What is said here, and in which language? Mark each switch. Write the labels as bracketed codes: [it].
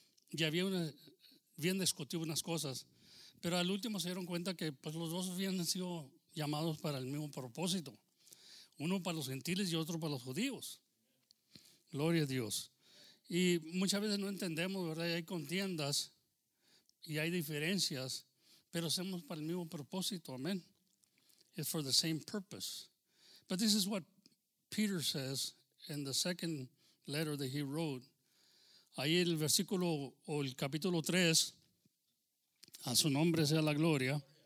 [es] Y habían discutido unas cosas, pero al último se dieron cuenta que pues los dos habían sido llamados para el mismo propósito. Uno para los gentiles y otro para los judíos. Gloria a Dios. Y muchas veces no entendemos, ¿verdad? Y hay contiendas y hay diferencias, pero hacemos para el mismo propósito. [en] Amén. It's for the same purpose. But this is what Peter says in the second letter that he wrote. [es] Ahí el versículo o el capítulo 3, a su nombre sea la gloria.